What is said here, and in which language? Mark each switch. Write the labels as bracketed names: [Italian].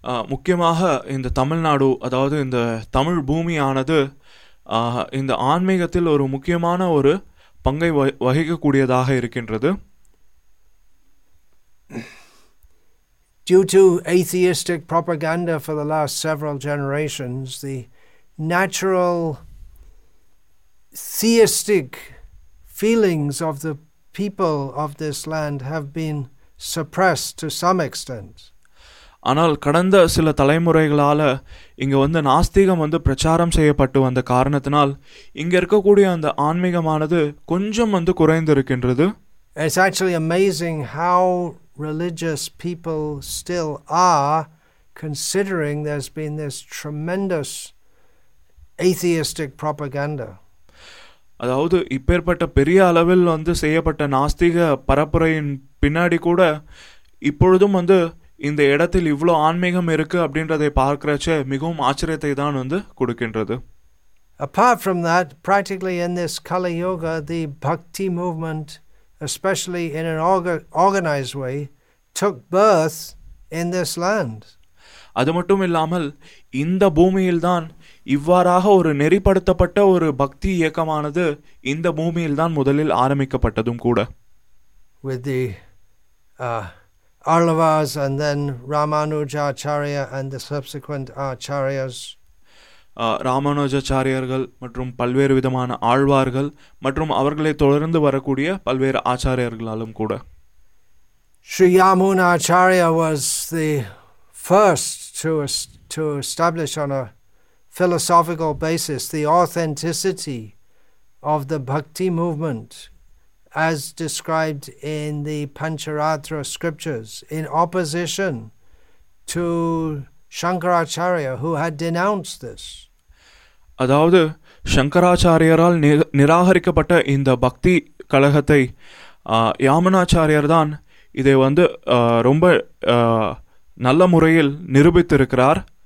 [Tamil] முக்கியமாக இந்த தமிழ்நாடு, அதாவது இந்த தமிழ் பூமியானது இந்த ஆன்மீகத்தில் ஒரு முக்கியமான ஒரு பங்கை வகிக்கக்கூடியதாக இருக்கின்றது. [English] Due to atheistic propaganda for the last several generations, the natural theistic feelings of the people of this land have been suppressed to some extent. [Tamil] ஆனால் கடந்த சில தலைமுறைகளால் இங்கே வந்து நாஸ்திகம் வந்து பிரச்சாரம் செய்யப்பட்டு வந்த காரணத்தினால் இங்கே இருக்கக்கூடிய அந்த ஆன்மீகமானது கொஞ்சம் வந்து குறைந்திருக்கின்றது. [English] It's actually amazing how religious people still are, considering there's been this tremendous atheistic propaganda. [Tamil] அதாவது இப்பேற்பட்ட பெரிய அளவில் வந்து செய்யப்பட்ட நாஸ்திக பரப்புரையின் பின்னாடி கூட இப்பொழுதும் வந்து இந்த இடத்தில் இவ்வளோ ஆன்மீகம் இருக்கு அப்படின்றதை பார்க்கிறச்ச மிகவும் ஆச்சரியத்தை தான் வந்து கொடுக்கின்றது. [English] Apart from that, practically in this Kali Yuga, the bhakti movement, especially in an organized way, took birth in this land. [Tamil] அது மட்டும் இல்லாமல் இந்த பூமியில்தான் இவ்வாறாக ஒரு நெறிப்படுத்தப்பட்ட ஒரு பக்தி இயக்கமானது இந்த பூமியில்தான் முதலில் ஆரம்பிக்கப்பட்டதும் கூட. [English] With the Arlavas and then Ramanuja Acharya and the subsequent Acharyas. [Tamil] Ramanuja Acharyargal மற்றும் பல்வேறு விதமான ஆழ்வார்கள் மற்றும் அவர்களை தொடர்ந்து வரக்கூடிய பல்வேறு ஆச்சாரியர்களாலும் கூட. [English] Sri Yamuna Acharya was the first to establish on a philosophical basis the authenticity of the bhakti movement as described in the Pancharatra scriptures, in opposition to Shankaracharya, who had denounced this. [Tamil] அதாவது சங்கராச்சாரியரால் நிராகரிக்கப்பட்ட இந்த பக்தி கழகத்தை யாமுனாச்சாரியர் தான் இதை வந்து ரொம்ப நல்ல முறையில் நிரூபித்திருக்கிறார்.